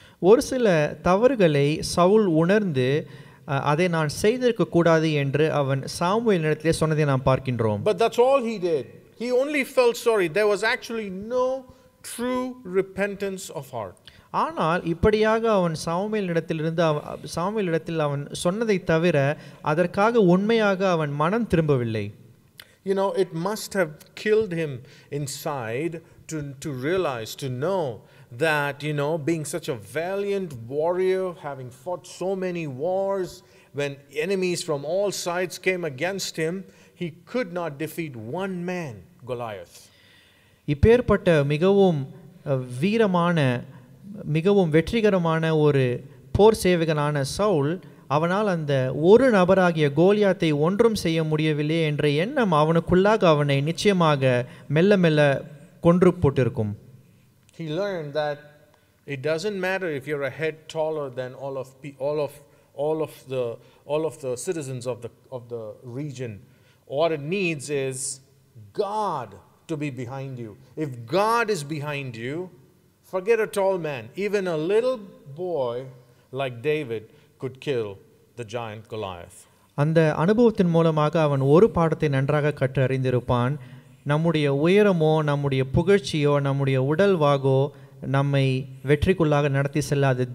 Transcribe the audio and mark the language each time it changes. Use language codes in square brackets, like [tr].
[ta] ஒரு சில தவறுகளை சவுல் உணர்ந்து அதை நான் செய்திருக்க கூடாது என்று அவன் சாமுவேல் இடத்திலே சொன்னதை நாம் பார்க்கின்றோம். [en] But that's all he did. He only felt sorry. There was actually no true repentance of heart. [ta] ஆனால் இப்படியாக அவன் சாமுவேல் இடத்தில் அவன் சொன்னதை தவிர அதற்காக உண்மையாக அவன் மனம் திரும்பவில்லை. [en] You know, it must have killed him inside to realize, to know that, you know, being such a valiant warrior, having fought so many wars, when enemies from all sides came against him, he could not defeat one man, Goliath. [ta] இப்பேர்பட்ட மிகவும் வீரமான மிகவும் வெற்றிகரமான ஒரு போர் சேவகனான சவுல் அவனால் அந்த ஒரு நபராகிய கோலியாத்தை ஒன்றும் செய்ய முடியவில்லை என்ற எண்ணம் அவனுக்குள்ளாக அவனை நிச்சயமாக மெல்ல மெல்ல கொன்று போட்டிருக்கும். [en] He learned that it doesn't matter if you're a head taller than all of the citizens of the region. What it needs is God to be behind you. If God is behind you, forget a tall man. Even a little boy like David could kill the giant Goliath. [ta] அந்த அனுபவத்தின் மூலமாக அவன் ஒரு பாடத்தை நன்றாக கற்றறிந்திருப்பான். நம்முடைய உயரமோ நம்முடைய புகழ்ச்சியோ நம்முடைய உடல்வாகோ நம்மை வெற்றிக்குள்ளாக நடத்தி செல்லாது.